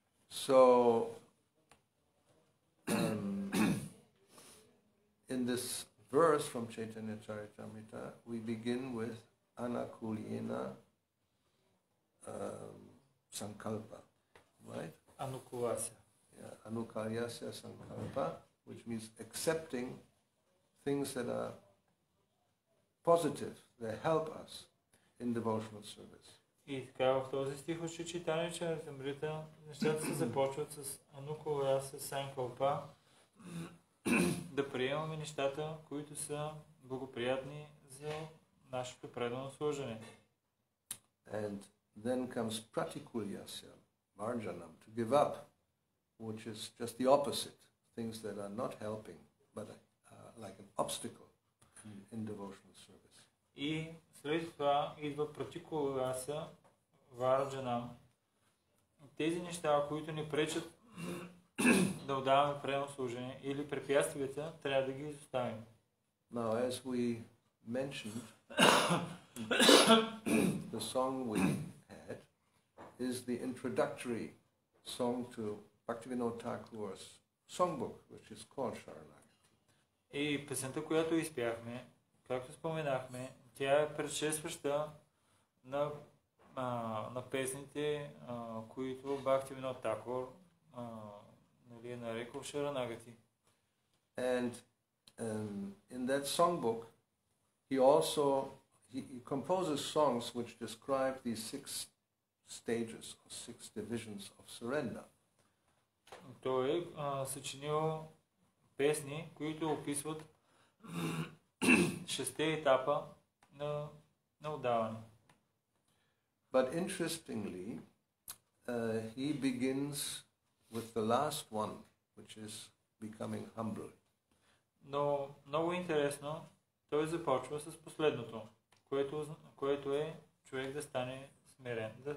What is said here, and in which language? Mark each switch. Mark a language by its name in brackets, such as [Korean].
[English] So in this verse from Chaitanya Charitamrita, we begin with anukulena sankalpa, right? Anukulasya. Yeah, anukulasya sankalpa, which means accepting things that are positive, that help us in devotional service. [Bulgarian] И така в този стих от Чайтанья Чаритамрита нещата се започват с anukulasya sankalpa. Да приемаме нещата, които са благоприятни за нашето предано служене. [English] And then comes pratikulyasya, marjanam, to give up, which is just the opposite, things that are not helping, but like an obstacle in devotional service. [Bulgarian] И след това идва pratikulyasya, marjanam, тези неща, които ни пречат да отдаваме предно служение или препятствията, трябва да ги изоставим. [English] Now, as we mentioned, the song we had is the introductory song to Bhaktivinoda Thakur's songbook, which is called Sharanagati. [Bulgarian] И песента, която изпяхме, както споменахме, тя е предшестваща на, на песните, които Бхактивинода Такур нали е нарекал Шаранагати. [English] And in that songbook, he also he composes songs which describe these six stages, or six divisions of surrender. [Bulgarian] Той съчинил песни, които описват шесте етапа на отдаване. [English] But interestingly, he begins with the last one, which is becoming humble. [Bulgarian] Но много интересно, той започва с последното, което е човек да стане смирен,